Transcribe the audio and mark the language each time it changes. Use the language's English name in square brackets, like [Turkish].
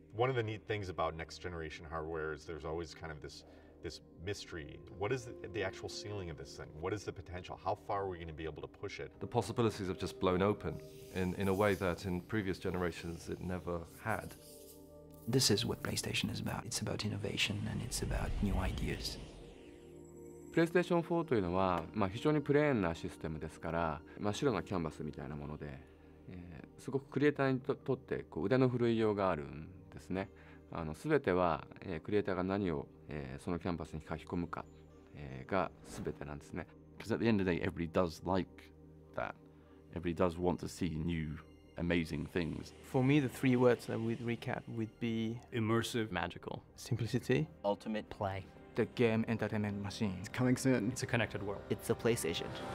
[English] One of the neat things about next generation hardware is there's always kind of this mystery. What is the actual ceiling of this thing? What is the potential? How far are we going to be able to push it? The possibilities have just blown open in a way that in previous generations it never had. This is what PlayStation is about. It's about innovation and it's about new ideas. [Japanese] PlayStation 4 というのは、まあ、非常にプレーンなシステムですから、真っ白なキャンバスみたいなもので、すごくクリエイターにとってこう腕の振るいようがあるんですね。全ては、クリエイターが何を、そのキャンパスに書き込むか、が全てなんですね。 [English] Because at the end of the day, everybody does like that. Everybody does want to see new, amazing things. For me, the three words that we'd recap would be immersive, magical, simplicity, ultimate play, the game entertainment machine. It's coming soon. It's a connected world. It's a PlayStation.